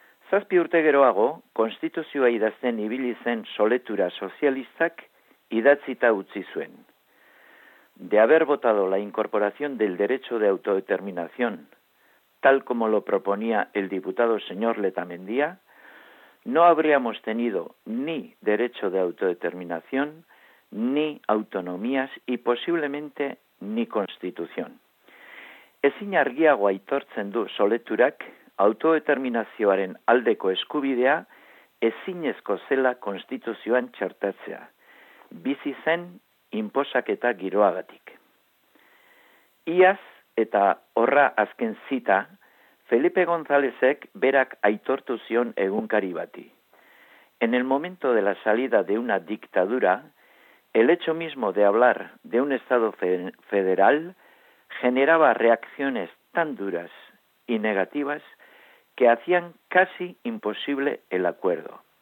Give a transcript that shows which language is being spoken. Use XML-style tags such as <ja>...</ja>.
<eu>Zazpi urte geroago, konstituzioa idazten ibili zen soletura sozialistak idatzita utzi zuen.</eu> <es>De haber votado la incorporación del derecho de autodeterminación, tal como lo proponía el diputado señor Letamendia, no habríamos tenido ni derecho de autodeterminación, ni autonomías y posiblemente ni constitución.</es> <eu>Ezin argiago aitortzen du soleturak autodeterminazioaren aldeko eskubidea ezinezko zela konstituzioan txertatzea, bizi zen inposaketa giroagatik. Iaz eta horra azken zita, Felipe Gonzálezek berak aitortu zion egunkari bati.</eu> <es>En el momento de la salida de una dictadura, el hecho mismo de hablar de un Estado federal generaba reacciones tan duras y negativas que hacían casi imposible el acuerdo.</es>